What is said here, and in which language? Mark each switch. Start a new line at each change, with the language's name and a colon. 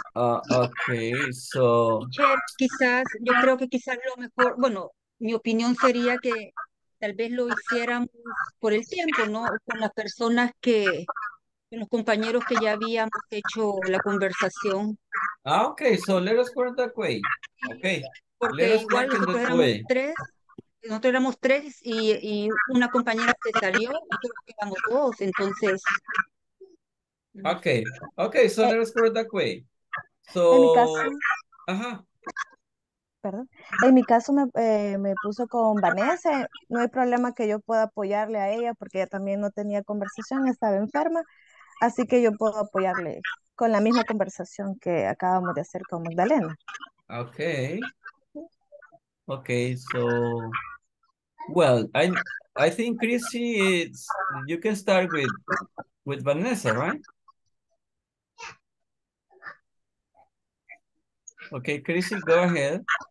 English: Okay, so...
Spanish: Quizás, yo creo que quizás lo mejor, bueno, mi opinión sería que tal vez lo hiciéramos por el tiempo, ¿no? Con las personas que, con los compañeros que ya habíamos hecho la conversación.
English: Ah, okay, so let us put it that way. Okay.
Spanish: Porque igual nosotros éramos tres y una compañera se salió, y creo que éramos dos, entonces.
English: Okay, so let's put it that way. So,
Spanish: En mi caso me puso con Vanessa, no hay problema que yo pueda apoyarle a ella, porque ella también no tenía conversación, estaba enferma, así que yo puedo apoyarle con la misma conversación que acabamos de hacer con Magdalena.
English: Okay, so, well, I think Chrissy, it's, you can start with Vanessa, right? Okay, Chrissy, go ahead.